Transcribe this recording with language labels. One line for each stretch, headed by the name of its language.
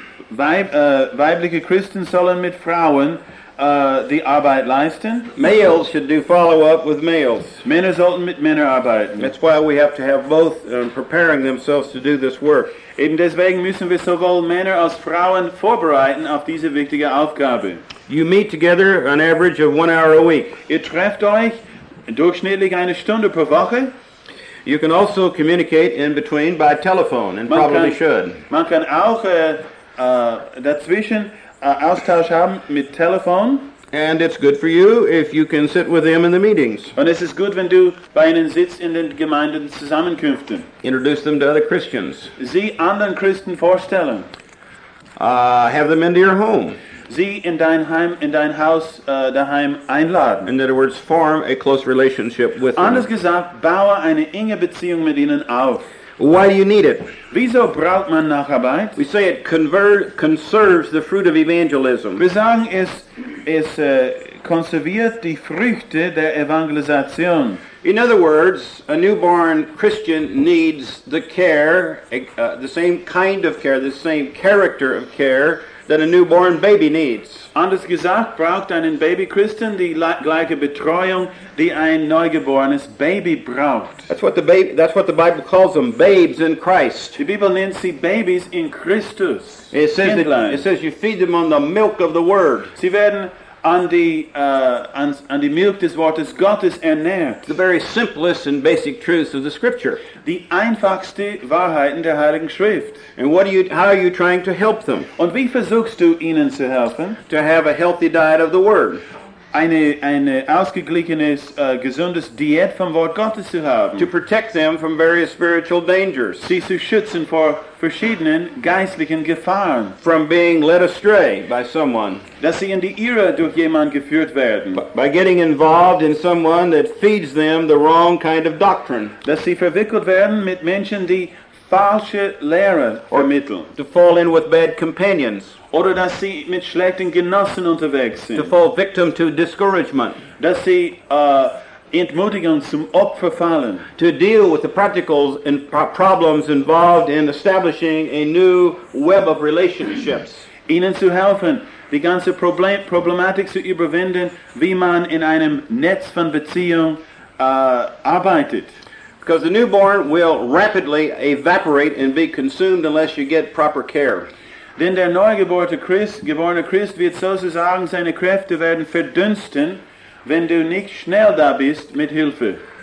German: Weibliche Christen sollen mit Frauen die Arbeit leisten.
English: Males should do follow-up with males.
German: Männer sollten mit Männern arbeiten.
English: That's why we have to have both preparing themselves to do this work.
German: Eben deswegen müssen wir sowohl Männer als Frauen vorbereiten auf diese wichtige Aufgabe.
English: You meet together an average of 1 hour a week.
German: Ihr trefft euch durchschnittlich eine Stunde pro Woche.
English: You can also communicate in between by telephone, and
German: man
English: probably
German: kann,
English: should.
German: Man kann auch dazwischen Austausch haben mit Telefon.
English: And it's good for you if you can sit with them in the meetings.
German: Und es ist gut, wenn du bei ihnen sitzt in den Gemeindezusammenkünften.
English: Introduce them to other Christians.
German: Sie anderen Christen vorstellen.
English: Have them into your home.
German: Sie in dein Heim, in dein Haus daheim einladen.
English: In other words, form a close relationship with them.
German: Anders gesagt, baue eine enge Beziehung mit ihnen auf.
English: Why do you need it?
German: Wieso braucht man Nacharbeit?
English: We say it conserves the fruit of evangelism.
German: Wir sagen, es konserviert die Früchte der Evangelisation.
English: In other words, a newborn Christian needs the care, the same kind of care, the same character of care that a newborn baby needs.
German: Anders gesagt, braucht einen Baby Christen die gleiche Betreuung, die ein neugeborenes Baby braucht.
English: That's what the Bible calls them, babes in Christ.
German: Die Bibel nennt sie Babys in Christus.
English: It says you feed them on the milk of the Word.
German: Sie werden an die Milch des Wortes Gottes ernährt.
English: The very simplest and basic truths of the Scripture.
German: Die einfachste Wahrheiten der Heiligen Schrift.
English: And how are you trying to help them?
German: Und wie versuchst du ihnen zu helfen?
English: To have a healthy diet of the Word.
German: eine ausgeglichenes gesundes Diät vom Wort Gottes zu haben.
English: To protect them from various spiritual dangers.
German: Sie zu schützen vor verschiedenen geistlichen Gefahren.
English: From being led astray by someone.
German: Dass sie in die Irre durch jemanden geführt werden.
English: By getting involved in someone that feeds them the wrong kind of doctrine.
German: Dass sie verwickelt werden mit Menschen, die falsche Lehre vermitteln.
English: To fall in with bad companions.
German: Oder dass sie mit schlechten Genossen unterwegs sind.
English: To fall victim to discouragement.
German: Dass sie Entmutigung zum Opfer fallen.
English: To deal with the practical and problems involved in establishing a new web of relationships.
German: Ihnen zu helfen, die ganze Problematik zu überwinden, wie man in einem Netz von Beziehung arbeitet.
English: Because the newborn will rapidly evaporate and be consumed unless you get proper care.
German: Denn der neugeborene Christ wird sozusagen seine Kräfte werden verdünsten, wenn du nicht schnell da bist mit Hilfe.